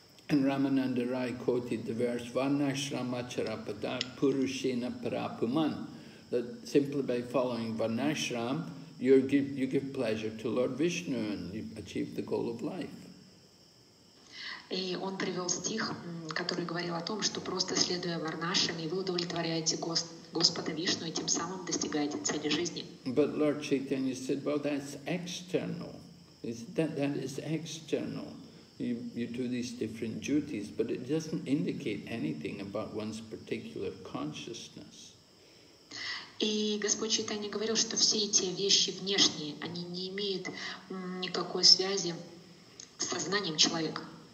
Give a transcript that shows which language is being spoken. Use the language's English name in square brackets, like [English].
[English] And Ramananda Rai quoted the verse Varnashramacharapada Purushena Parapuman, that simply by following Varnashram you give pleasure to Lord Vishnu and you achieve the goal of life. [Russian] И он привел стих, который говорил о том, что просто следуя Варнашраме, вы удовлетворяете Господа Вишну и тем самым достигаете цели жизни. [English] But Lord Chaitanya said, well, that's external. That is external. You do these different duties, but it doesn't indicate anything about one's particular consciousness. [Russian] И Господь Чайтанья говорил, что все эти вещи внешние, они не имеют никакой связи с сознанием человека.